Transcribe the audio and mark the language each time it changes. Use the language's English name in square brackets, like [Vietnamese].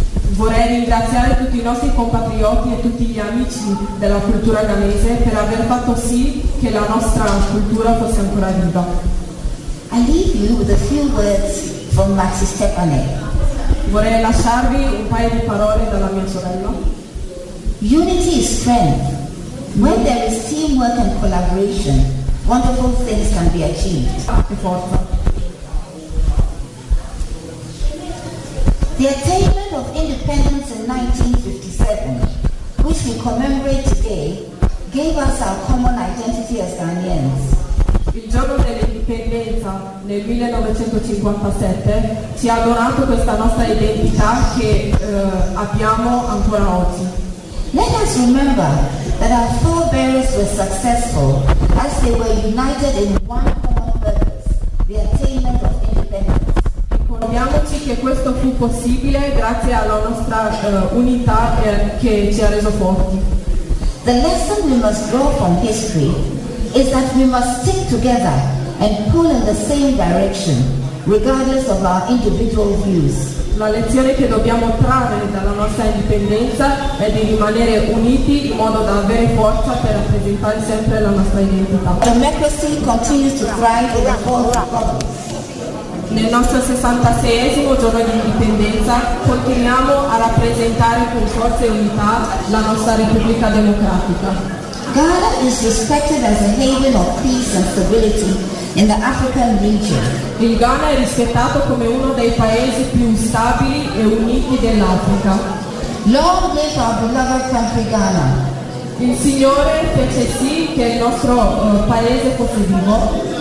[Italian] Vorrei ringraziare tutti i nostri compatrioti e tutti gli amici della cultura ghanese per aver fatto sì che la nostra cultura fosse ancora viva. [English] I leave you with a few words from Maxi Stefani. [Italian] Vorrei lasciarvi un paio di parole dalla mia sorella. [English] Unity is strength. When there is teamwork and collaboration, wonderful things can be achieved. The attainment of independence in 1957, which we commemorate today, gave us our common identity as Ghanaians. [Italian] Il giorno dell'indipendenza nel 1957 ci ha donato questa nostra identità che abbiamo ancora oggi. [English] Let us remember that our forebears were successful as they were united in one common purpose, the attainment of independence. [Italian] Ricordiamoci che questo fu possibile grazie alla nostra unità che ci ha reso forti. [English] The lesson we must draw from history is that we must stick together and pull in the same direction, regardless of our individual views. [Italian] La lezione che dobbiamo trarre dalla nostra indipendenza è di rimanere uniti in modo da avere forza per rappresentare sempre la nostra identità. [English] Democracy continues to thrive in the whole. [Italian] Nel nostro 66esimo giorno di indipendenza continuiamo a rappresentare con forza e unità la nostra Repubblica Democratica. [English] Ghana is respected as a haven of peace and stability in the African region. [Italian] Il Ghana è rispettato come uno dei paesi più stabili e uniti dell'Africa. [English] Lord live our beloved country Ghana. [Italian] Il Signore fece sì che il nostro paese fosse vivo.